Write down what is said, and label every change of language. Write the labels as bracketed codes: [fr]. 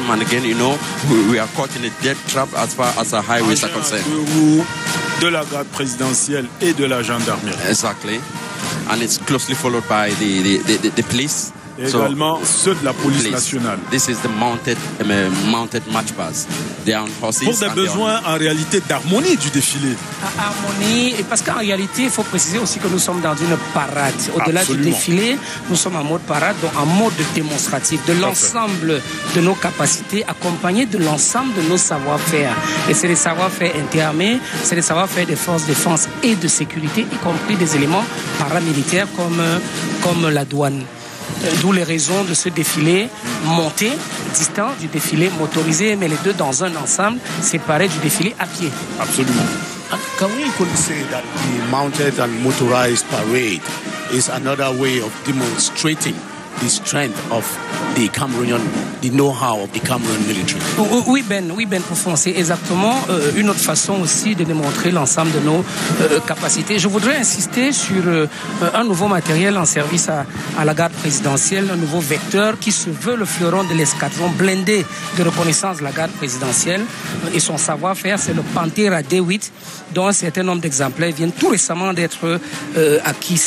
[en] And again, you know, we are caught in a dead trap as far as our highways are concerned. [fr] De la garde présidentielle et de la gendarmerie. [en] Exactly. And it's closely followed by the police. [fr] Et également ceux de la police nationale. [en] This is the mounted march pass. They are on horses. [fr] Pour des besoins en réalité d'harmonie du défilé. Harmonie, parce qu'en réalité, il faut préciser aussi que nous sommes dans une parade. Au-delà du défilé, nous sommes en mode parade, donc en mode démonstratif de l'ensemble de nos capacités, accompagnées de l'ensemble de nos savoir-faire. Et c'est les savoir-faire interarmés, c'est les savoir-faire des forces de défense et de sécurité, y compris des éléments paramilitaires comme la douane. D'où les raisons de ce défilé monté, distant du défilé motorisé, mais les deux dans un ensemble séparé du défilé à pied. Absolument. [en] Can we could say that the mounted and motorized parade is another way of demonstrating the strength of the Cameroonian, the know-how of the Cameroon military? [fr] Oui, Ben Profond, c'est exactement une autre façon aussi de démontrer l'ensemble de nos capacités. Je voudrais insister sur un nouveau matériel en service à la garde présidentielle, un nouveau vecteur qui se veut le fleuron de l'escadron blindé de reconnaissance de la garde présidentielle et son savoir-faire, c'est le Pantera D8, dont un certain nombre d'exemplaires viennent tout récemment d'être acquis.